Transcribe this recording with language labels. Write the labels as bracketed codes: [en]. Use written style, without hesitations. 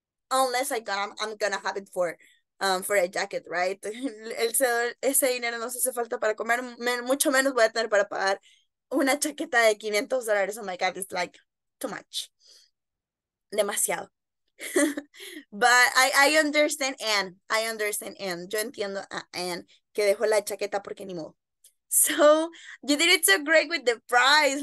[en] Unless I'm gonna have it for a jacket, right? [es] Ese dinero no se hace falta para comer, mucho menos voy a tener para pagar una chaqueta de $500. [en] Oh my god, it's like too much. Demasiado. But I understand Anne. I understand Anne. [es] Yo entiendo a Anne que dejó la chaqueta porque ni modo. [en] So you did it so great with the prize.